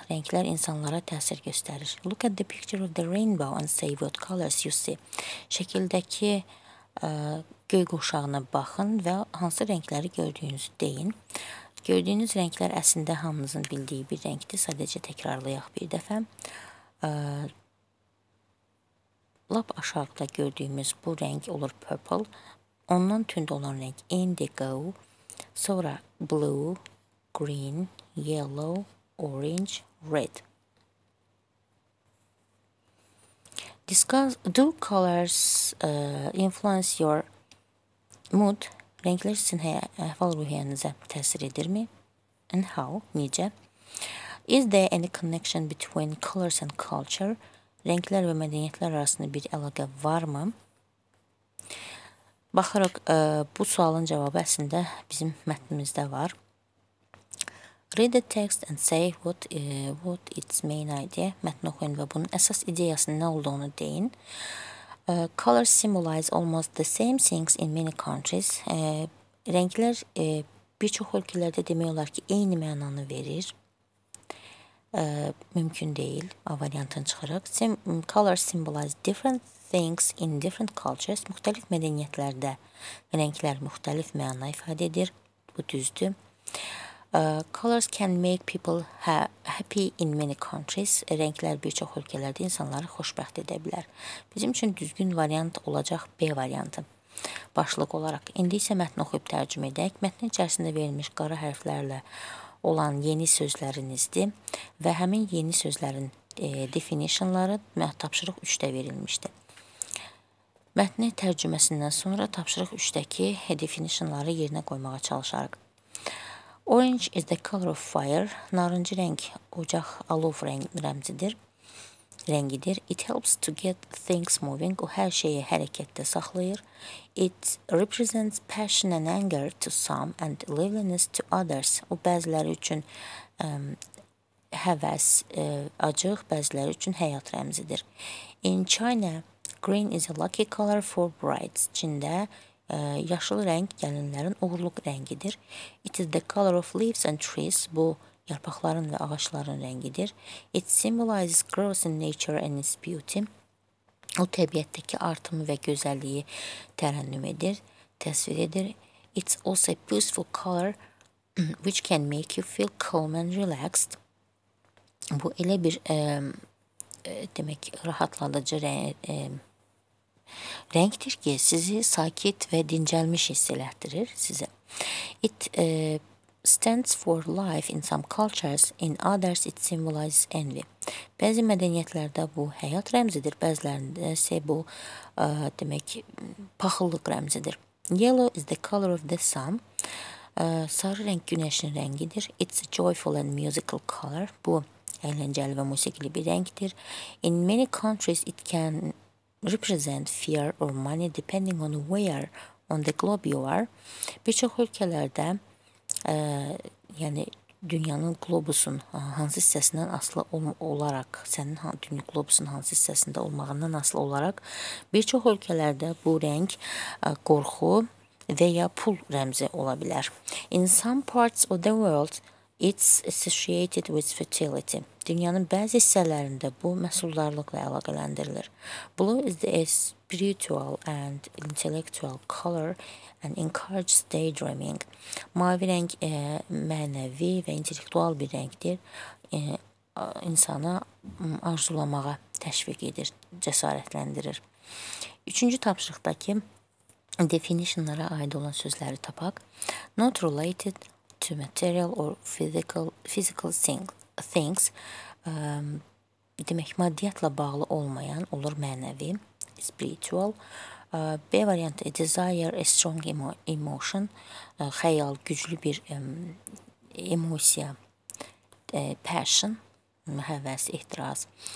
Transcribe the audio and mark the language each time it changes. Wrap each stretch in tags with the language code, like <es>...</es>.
<az>Rənglər insanlara təsir göstərir.</az> <en>Look at the picture of the rainbow and say what colors you see.</en> <az>Şəkildəki göy quşağına baxın və hansı rəngləri gördüyünüzü deyin. Gördüyünüz rənglər əslində hamınızın bildiyi bir rəngdir. Sadəcə təkrarlayaq bir dəfə. Lap aşağıda gördüyümüz bu rəng olur purple. Ondan tünd olan rəng indigo. Sonra</az> <en>blue, green, yellow, orange, red. Do colors influence your mood?</en> <az>Rənglər sizin əhval ruhiyyənizə təsir edir mi? And how? Necə?</az> <en>Is there any connection between colors and culture?</en> <az>Rənglər və mədəniyyətlər arasında bir əlaqə var mı? Baxırıq, bu sualın cavabı əslində bizim mətnimizdə var.</az> <en>Read the text and say what its main idea.</en> <az>Mətni oxuyun və bunun əsas ideyasının nə olduğunu deyin.</az> <en>Colors symbolize almost the same things in many countries.</en> <az>Rənglər bir çox ölkələrdə demək olar ki, eyni mənanı verir. Mümkün deyil. A variantını çıxırıq.</az> <en>Colors symbolize different things in different cultures.</en> <az>Müxtəlif mədəniyyətlərdə rənglər müxtəlif məna ifadə edir. Bu düzdür.</az> <en>Colors can make people happy in many countries.</en> <az>Rənglər bir çox ölkələrdə insanları xoşbəxt edə bilər. Bizim üçün düzgün variant olacaq B variantı. Başlıq olaraq. İndi isə mətni oxuyub tərcümə edək. Mətnin içərisində verilmiş qara hərflərlə olan yeni sözlərinizdir və həmin yeni sözlərin definitionları tapşırıq 3-də verilmişdir. Mətni tərcüməsindən sonra tapşırıq 3-dəki definitionları yerinə qoymağa çalışarıq.</az> <en>Orange is the color of fire.</en> <az>Narıncı rəng ocaq, alov rəngidir.</az> <en>It helps to get things moving.</en> <az>O, hər şeyi hərəkətdə saxlayır.</az> <en>It represents passion and anger to some and liveliness to others.</en> <az>O, bəziləri üçün həvəs, acıq, bəziləri üçün həyat rəmzidir.</az> <en>In China, green is a lucky color for brides.</en> <az>Çində yaşıl rəng gəlinlərin uğurluq rəngidir.</az> <en>It is the color of leaves and trees.</en> <az>Bu, yarpaqların və ağaçların rəngidir.</az> <en>It symbolizes growth in nature and its beauty.</en> <az>O, təbiətdəki artımı və gözəlliyi tərənnüm edir, təsvir edir.</az> <en>It's also a peaceful color which can make you feel calm and relaxed.</en> <az>Bu, elə bir demək, rahatladıcı rəngdir ki, sizi sakit və dincəlmiş hiss elətdirir sizə.</az> <en>It stands for life in some cultures, in others it symbolizes envy.</en> <az>Bəzi mədəniyyətlərdə bu həyat rəmzidir, bəzilərində isə bu demək paxıllıq rəmzidir.</az> <en>Yellow is the color of the sun.</en> <az>Sarı rəng günəşin rəngidir.</az> <en>It's a joyful and musical color.</en> <az>Bu əyləncəli və musiqili bir rəngdir.</az> <en>In many countries it can represent fear or money depending on where on the globe you are.</en> <az>Bir çox ölkələrdə yəni dünyanın globusun hansı hissəsindən asılı olaraq, sənin dünya globusun hansı hissəsində olmağından asılı olaraq bir çox ölkələrdə bu rəng qorxu və ya pul rəmzi ola bilər.</az> <en>In some parts of the world it's associated with fertility.</en> <az>Dünyanın bəzi hissələrində bu məhsuldarlıqla əlaqələndirilir.</az> <en>Blue is the spiritual and intellectual color and encourages daydreaming.</en> <az>Mavi rəng mənəvi və intellektual bir rəngdir. İnsana arzulamağa təşviq edir, cəsarətləndirir. Üçüncü tapşırıqdakı definitionlara aid olan sözləri tapaq.</az> <en>Not related to material or physical things.</en> <az>Demək, maddiyyatla bağlı olmayan olur mənəvi, spiritual. B variantı,</az> <en>desire, a strong emotion,</en> <az>xəyal, güclü bir emosiya, passion, həvəs, ehtiraz.</az>